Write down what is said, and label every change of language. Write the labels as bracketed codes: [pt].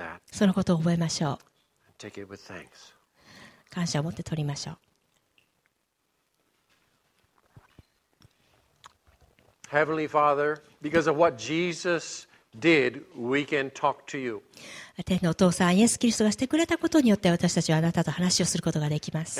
[ja] そのことを覚えましょう。 [en] Take it with thanks. [ja] 感謝を持って取りましょう。 [en] Heavenly Father, because of what Jesus did, we can talk to you. [ja] 天のお父さん、イエス・キリストがしてくれたことによって私たちはあなたと話をすることができます。